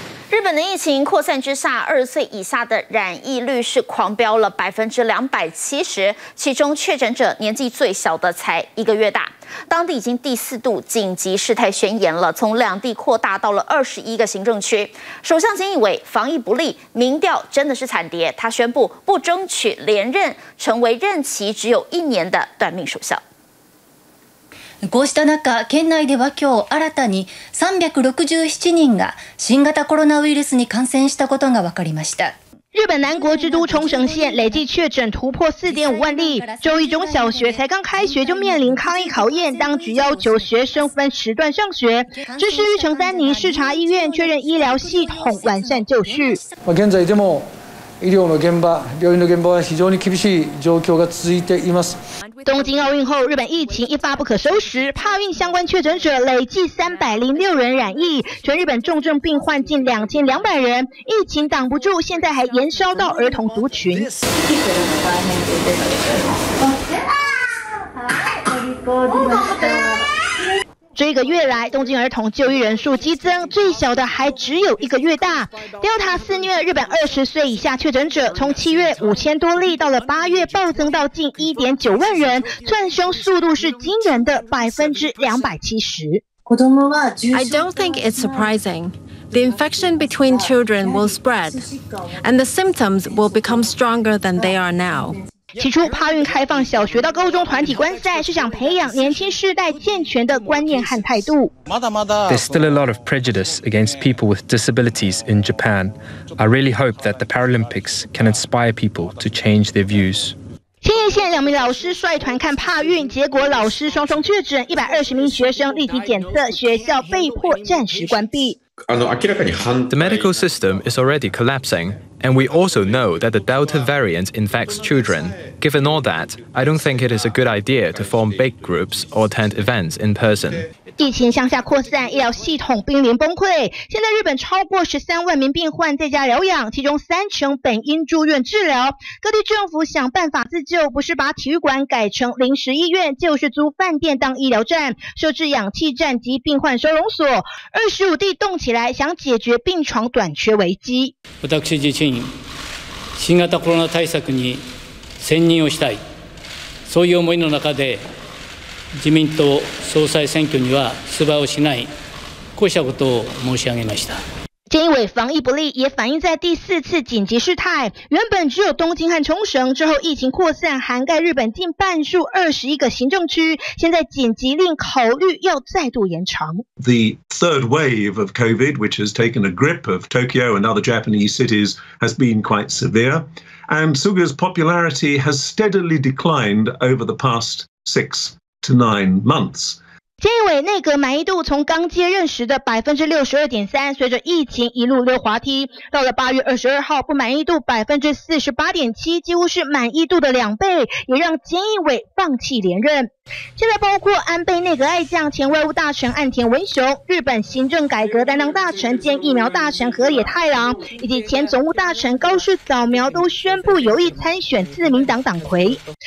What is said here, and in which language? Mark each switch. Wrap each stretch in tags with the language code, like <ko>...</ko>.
<zh>日本的疫情扩散之下，20岁以下的染疫率是狂飙了270%，其中确诊者年纪最小的才1个月大。当地已经第4度紧急事态宣言了，从2地扩大到了21个行政区。首相菅义伟防疫不力，民调真的是惨跌，他宣布不争取连任，成为任期只有1年的短命首相。</zh> <ja>こうした中、県内では今日新たに367人が新型コロナウイルスに感染したことが分かりました。</ja> <zh>日本南国之都冲绳县累计确诊突破4.5万例。周一中小学才刚开学就面临抗疫考验，当局要求学生分时段上学。这是玉城三尼视察医院，确认医疗系统完善就绪。</zh> <ja>現在でも医療の現場、病院の現場は非常に厳しい状況が続いています。</ja> <zh>东京奥运后，日本疫情一发不可收拾，帕运相关确诊者累计306人染疫，全日本重症病患近2200人。疫情挡不住，现在还延烧到儿童族群。这个月来，东京儿童就医人数激增，最小的还只有1个月大。 Delta 肆虐，日本20岁以下确诊者从7月5000多例，到了8月暴增到近1.9万人，窜升速度是惊人的270%。</zh> <en>I don't think it's surprising. The infection between children will spread, and the symptoms will become stronger than they are now.</en> <zh>起初帕运开放小学到高中团体观赛，是想培养年轻世代健全的观念和态度。</zh> <en>There's still a lot of prejudice against people with disabilities in Japan. I really hope that the Paralympics can inspire people to change their views.</en> <zh>千叶县两名老师率团看帕运，结果老师双双确诊，120名学生立即检测，学校被迫暂时关闭。</zh> <en>The medical system is already collapsing, And we also know that the Delta variant infects children. Given all that, I don't think it is a good idea to form big groups or attend events in person.</en> <zh>疫情向下扩散，医疗系统濒临崩溃。现在日本超过13万名病患在家疗养，其中30%本应住院治疗。各地政府想办法自救，不是把体育馆改成临时医院，就是租饭店当医疗站，设置氧气站及病患收容所。 25地动起来，想解决病床短缺危机。</zh> <ja>私自身新型コロナ対策に専念をしたい、そういう思いの中で。自民党総裁選挙には出馬をしない、こうしたことを申し上げました。</ja> <zh>菅义伟防疫不力也反映在第四次紧急事态。原本只有东京和冲绳，之后疫情扩散，涵盖日本近半数21个行政区。现在紧急令考虑要再度延长。</zh> <en>The third wave of COVID, which has taken a grip of Tokyo and other Japanese cities, has been quite severe, and Suga's popularity has steadily declined over the past six to nine months.</en> <zh>菅义伟内阁满意度从刚接任时的62.3%，随着疫情一路溜滑梯，到了8月22号，不满意度48.7%，几乎是满意度的2倍，也让菅义伟放弃连任。现在包括安倍内阁爱将、前外务大臣岸田文雄、日本行政改革担当大臣兼疫苗大臣河野太郎，以及前总务大臣高市早苗都宣布有意参选自民党党魁。</zh>